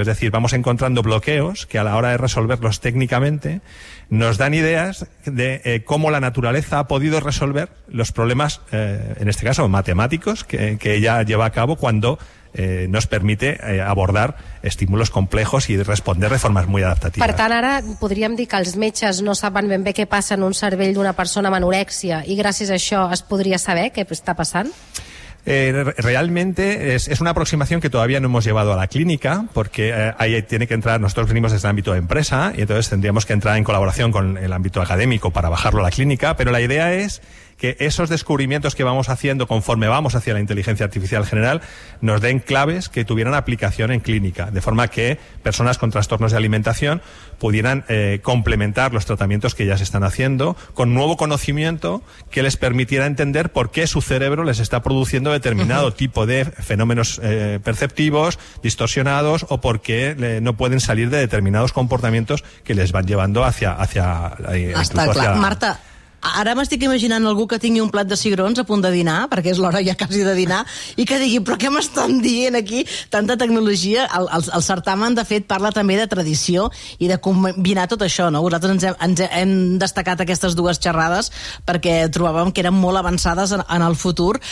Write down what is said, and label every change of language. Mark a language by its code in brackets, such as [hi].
[es] Es decir, vamos encontrando bloqueos que a la hora de resolverlos técnicamente nos dan ideas de cómo la naturaleza ha podido resolver los problemas, en este caso matemáticos, que ella lleva a cabo cuando nos permite abordar estímulos complejos i responder de [ca] formes molt adaptatives. Per tant, ara podríem dir que els metges no saben ben bé què passa en un cervell d'una persona amb anorèxia i gràcies a això es podria saber què està passant? [es] Realmente es una aproximación que todavía no hemos llevado a la clínica, porque ahí tiene que entrar, nosotros venimos desde el ámbito de empresa y entonces tendríamos que entrar en colaboración con el ámbito académico para bajarlo a la clínica, pero la idea es que esos descubrimientos que vamos haciendo conforme vamos hacia la inteligencia artificial general nos den claves que tuvieran aplicación en clínica, de forma que personas con trastornos de alimentación pudieran complementar los tratamientos que ya se están haciendo con nuevo conocimiento que les permitiera entender por qué su cerebro les está produciendo determinado tipo de fenómenos perceptivos, distorsionados, o por qué no pueden salir de determinados comportamientos que les van llevando hacia [ca] Clar. Marta, ara m'estic imaginant algú que tingui un plat de cigrons a punt de dinar, perquè és l'hora ja quasi de dinar, i que digui, però què m'estan dient aquí? Tanta tecnologia. El certamen, de fet, parla també de tradició i de combinar tot això, no? Vosaltres ens hem destacat aquestes dues xerrades perquè trobàvem que eren molt avançades en el futur.